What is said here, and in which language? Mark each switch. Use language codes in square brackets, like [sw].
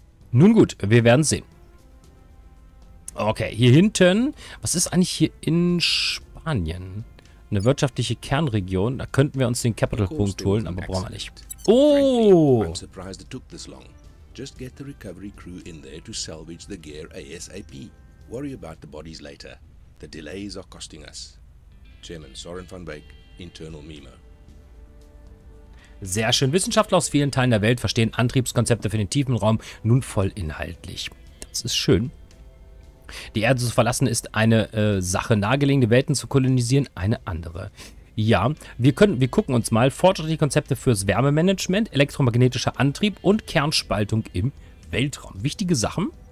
[de] Nun gut, wir werden sehen. Okay, hier hinten. Was ist eigentlich hier in Spanien? Eine wirtschaftliche Kernregion. Da könnten wir uns den Capital-Punkt holen, aber brauchen wir nicht. Oh! [en] I'm surprised it took this long. Just get the recovery crew in there to salvage the gear ASAP. Worry about the bodies later. The delays are costing us. [de] Chairman Soren van Beek, internal MIMO. Sehr schön. Wissenschaftler aus vielen Teilen der Welt verstehen Antriebskonzepte für den tiefen Raum nun voll inhaltlich. Das ist schön. Die Erde zu verlassen ist eine Sache. Nahegelegene Welten zu kolonisieren, eine andere. Ja, wir gucken uns mal fortschrittliche Konzepte fürs Wärmemanagement, elektromagnetischer Antrieb und Kernspaltung im Weltraum. Wichtige Sachen.